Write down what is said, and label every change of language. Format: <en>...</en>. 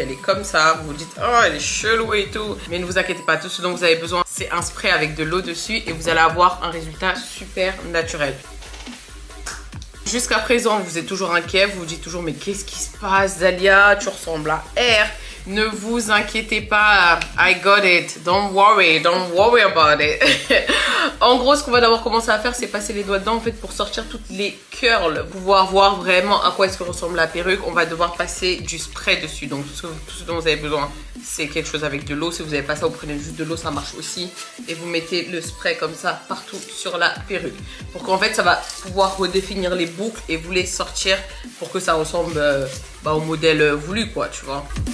<fr>Elle est comme ça, vous vous dites, oh elle est chelou et tout. Mais ne vous inquiétez pas, tout ce dont vous avez besoin, c'est un spray avec de l'eau dessus et vous allez avoir un résultat super naturel. Jusqu'à présent, vous êtes toujours inquiet, vous vous dites toujours, mais qu'est-ce qui se passe Zalia, tu ressembles à R. Ne vous inquiétez pas,</fr> <en>I got it, don't worry about it.</en> <fr>En gros, ce qu'on va d'abord commencer à faire, c'est passer les doigts dedans en fait pour sortir toutes les curls, pouvoir voir vraiment à quoi est-ce que ressemble la perruque. On va devoir passer du spray dessus, donc tout ce dont vous avez besoin, c'est quelque chose avec de l'eau. Si vous n'avez pas ça, vous prenez juste de l'eau, ça marche aussi. Et vous mettez le spray comme ça partout sur la perruque pour qu'en fait, ça va pouvoir redéfinir les boucles et vous les sortir pour que ça ressemble au modèle voulu, quoi, tu vois.</fr>